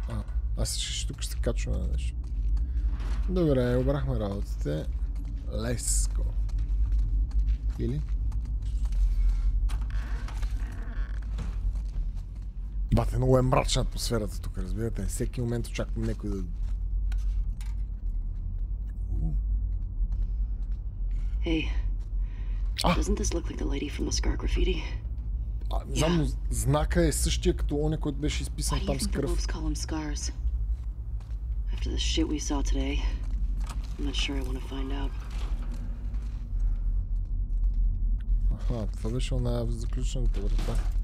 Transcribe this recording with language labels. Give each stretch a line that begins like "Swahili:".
Bulgarian: А, аз ще тук ще качваме на нещо. Добре, обрахме работите. Леско. Или? Бате, много е мрачна атмосферата тук, разбирате. Всеки момент очаквам някой да...
English: Hey, doesn't this look like the lady from the scar graffiti?
Bulgarian: Знам, но знака е същия като оня, който беше изписан там с кръв.
English: Why do you think the wolves call them scars? After the shit we saw today, I'm not sure I want to find out.
Bulgarian: Аха, това беше на заключената врата.